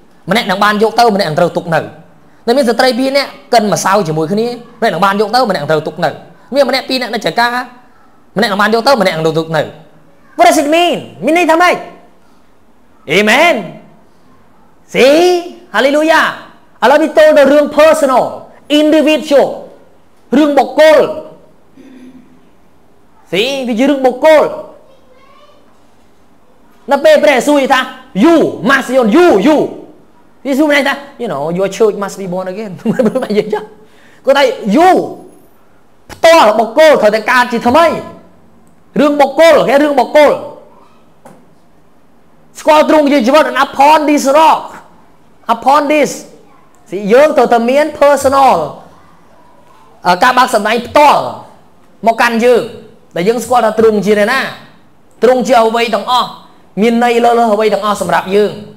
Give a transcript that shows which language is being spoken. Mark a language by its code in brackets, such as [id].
[km] ម្នាក់នឹងបានយកទៅម្នាក់នឹងត្រូវទុកនៅនៅមានស្ត្រី2នាក់កិនម្សៅជាមួយគ្នាម្នាក់នឹងបានយកទៅម្នាក់នឹងត្រូវទុកនៅមានម្នាក់2នាក់នៅចកាម្នាក់នឹងបានយកទៅម្នាក់នឹងត្រូវទុកនៅ [en] What does it mean [km] មានន័យថាម៉េច AmenSee? Hallelujah. ឥឡូវនេះទៅដល់រឿង [en] personal, individual. [km] រឿងបុគ្គល. See? វាជារឿងបុគ្គល. នៅពេលព្រះយេស៊ូវថា [en] you must be you. [km] យេស៊ូវមិនថា [en] you know your church must be born again. [km] មិនមែនយេចុះ. គាត់ថា you ផ្ទាល់បុគ្គលត្រូវតែកើតជាថ្មី. រឿងបុគ្គល, គេរឿងបុគ្គល. ស្គាល់ទ្រង់ជាជីវិតអផនឌីសរ៉ុក [en] upon this [km] ស៊ីយើងត្រូវតែមាន personal ការបាក់សម្ដែងផ្ទាល់មកកាន់យើងដែលយើងស្គាល់ថាទ្រង់ជាណាទ្រង់ជាអ្វីទាំងអស់មានន័យលើអ្វីទាំងអស់សម្រាប់យើង